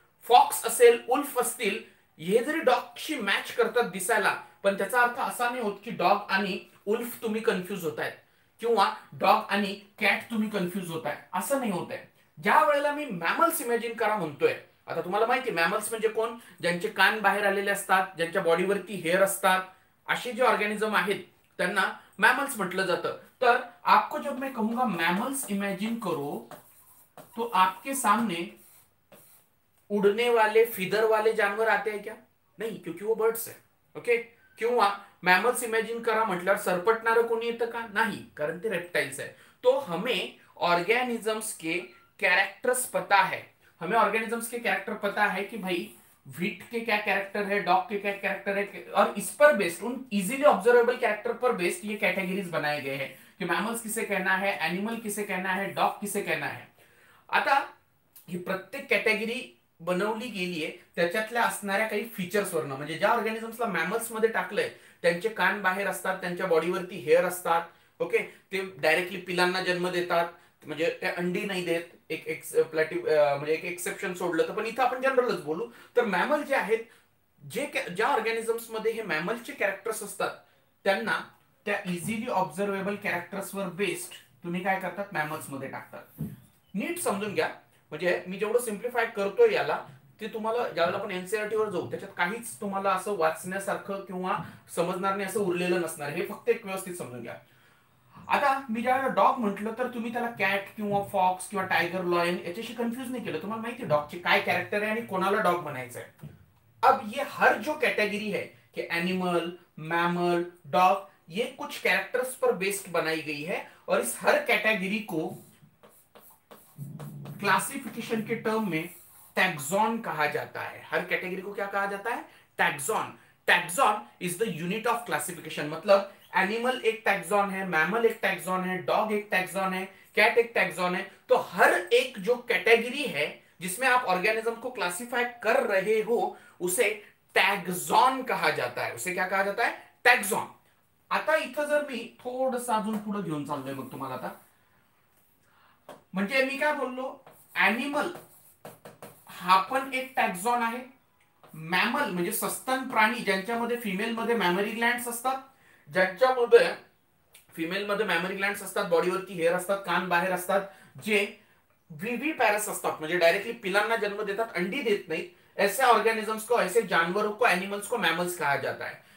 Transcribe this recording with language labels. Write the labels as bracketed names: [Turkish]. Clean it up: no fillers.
[Marathi] Fox असेल, wolf असतील, हे जरी डॉगशी मॅच करतात दिसायला, पण त्याचा अर्थ असा नाही होत की डॉग आणि उल्फ तुम्ही कन्फ्यूज होताय किंवा डॉग आणि कॅट तुम्ही कन्फ्यूज होताय, असं नाही होत आहे. ज्या वेळेला मी मॅमल्स इमॅजिन करा म्हणतोय आता तुम्हाला माहिती आहे मॅमल्स म्हणजे कोण, ज्यांचे कान बाहेर आलेले असतात, ज्यांच्या बॉडीवरती हेअर असतात, असे जे ऑर्गॅनिझम आहेत त्यांना मॅमल्स म्हटलं जातं। [Hindi] तर आपको जब मैं कहूंगा मॅमल्स इमॅजिन करो तो आपके सामने उड़ने वाले फिदर वाले जानवर आते हैं क्या? नहीं, क्योंकि वो बर्ड्स है। [Marathi] ओके, किंवा मॅमल्स इमॅजिन करा म्हटल्यावर सरपटणारं कोणी येतं का? नाही, कारण ते [Hindi] रेप्टाइल्स है। तो हमें ऑर्गॅनिझम्स के कॅरेक्टर्स पता है, हमें ऑर्गेनिजम्स के कैरेक्टर पता है कि भाई व्हीट के क्या कैरेक्टर है, डॉग के क्या कैरेक्टर है, और इस पर बेस्ड, उन इजीली ऑब्जर्वेबल कैरेक्टर पर बेस्ड ये कैटेगरीज बनाए गए हैं कि मैमल्स किसे कहना है, एनिमल किसे कहना है, डॉग किसे कहना है। [Marathi] आता ये प्रत्येक कैटेगरी बनवली गेली आहे त्याच्यातल्या असणाऱ्या काही फीचर्स वरून, म्हणजे ज्या ऑर्गॅनिझम्सला मॅमल्स मध्ये टाकलंय त्यांचे कान बाहेर असतात, त्यांच्या बॉडीवरती हेअर असतात, ओके, ते डायरेक्टली पिलांना जन्म देतात, म्हणजे ते अंडी नाही देत, एक प्लॅटी म्हणजे एक एक्सेप्शन सोडलं तर, पण इथं आपण जनरलच बोलू, तर मॅमल जे आहेत, जे ज्या ऑर्गॅनिझम्स मध्ये हे मॅमलचे कॅरेक्टर्स असतात त्यांना त्या इझिली ऑब्झर्वेबल कॅरेक्टर्स वर बेस्ड तुम्ही काय करतात, मॅमल्स मध्ये टाकतात। नीट समजून घ्या, म्हणजे मी जेवढं सिम्प्लिफाय करतोय याला, ते तुम्हाला ज्यावेळेला आपण एनसीईआरटी वर जाऊ त्याच्यात काहीच तुम्हाला असं वाचण्यासारखं किंवा समजणार नाही असं उरलेलं नसणार, हे फक्त एक व्यवस्थित समजून घ्या। आता मी ज्यावेळेला डॉग म्हटलं तर तुम्ही त्याला कॅट किंवा फॉक्स किंवा टायगर लॉयन याच्याशी कन्फ्यूज नाही केलं, तुम्हाला माहिती आहे डॉगचे काय कॅरेक्टर आहे आणि कोणाला डॉग म्हणायचं आहे। [Hindi] अब ये हर जो कॅटेगरी है कि एनिमल मॅमल डॉग, ये कुछ कॅरेक्टर्स पर बेस्ड बनाई गई है, और इस हर कॅटेगरी को क्लासिफिकेशन के टर्म में टैक्सॉन कहा जाता है। हर कैटेगरी को क्या कहा जाता है? Taxon. [English] taxon is the unit of classification, [Hindi] मतलब एनिमल एक टैक्सॉन है, मैमल एक टैक्सॉन है, डॉग एक टैक्सॉन है, कैट एक टैक्सॉन है। तो हर एक जो कैटेगरी है जिसमें आप ऑर्गेनिज्म को क्लासिफाई कर रहे हो उसे टैक्सॉन कहा जाता है। उसे क्या कहा जाता है? टैक्सॉन। [Marathi] आता इथं जर मी थोडस अजून पुढे घेऊन चाललोय मग तुम्हाला, आता म्हणजे मी काय बोललो, एनिमल हा पण एक टॅक्झॉन आहे, मॅमल म्हणजे सस्तन प्राणी ज्यांच्यामध्ये फिमेल मध्ये मॅमरी ग्लँड असतात, ज्यांच्यामध्ये फिमेल मध्ये मॅमरी ग्लँड असतात, बॉडीवरती हेअर असतात, कान बाहेर असतात, जे व्हीवी पॅरस असतात म्हणजे डायरेक्टली पिलांना जन्म देतात, अंडी देत नाहीत, [Hindi] ऐसे ऑर्गॅनिझम्स को, ऐसे जानवरों को, एनिमल्स को मॅमल्स कहा जाता है।